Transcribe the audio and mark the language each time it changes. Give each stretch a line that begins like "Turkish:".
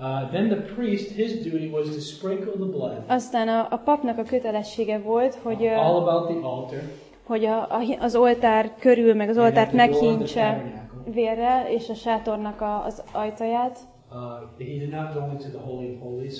English: Then the priest, his duty was to sprinkle the blood.
Hungarian: Aztán a papnak a kötelessége volt, hogy
English: all about the altar,
Hungarian: hogy az oltár körül, meg az oltárt meghintse vérrel, és a sátornak az ajtaját.
English: He did not go into the holy holies.